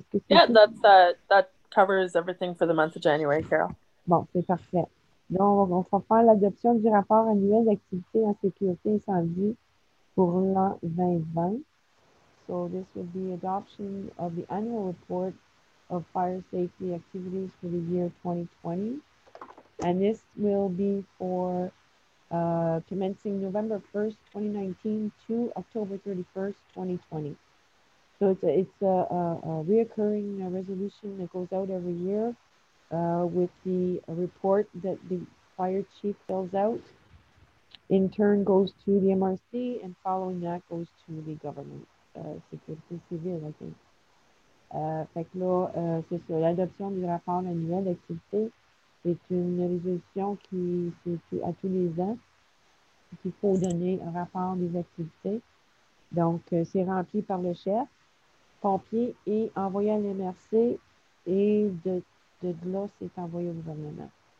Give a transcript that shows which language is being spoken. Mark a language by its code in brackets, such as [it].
[en] That covers everything for the month of January, Carol. [fr] Bon, c'est parfait. Donc, on va faire l'adoption du rapport annuel d'activité en sécurité incendie pour l'an 2020. [en] So this would be adoption of the annual report of fire safety activities for the year 2020. And this will be for commencing November 1st, 2019 to October 31st, 2020. So it's a reoccurring resolution that goes out every year with the report that the fire chief fills out. In turn goes to the MRC, and following that goes to the government, Sécurité civile, I think. [fr] Fait que là, c'est ça, l'adoption du rapport annuel d'activité est une résolution qui s'effectue à tous les ans, qu'il faut donner un rapport des activités. Donc, c'est rempli par le chef, pompier, et envoyé à l'MRC, et de là, c'est envoyé au gouvernement.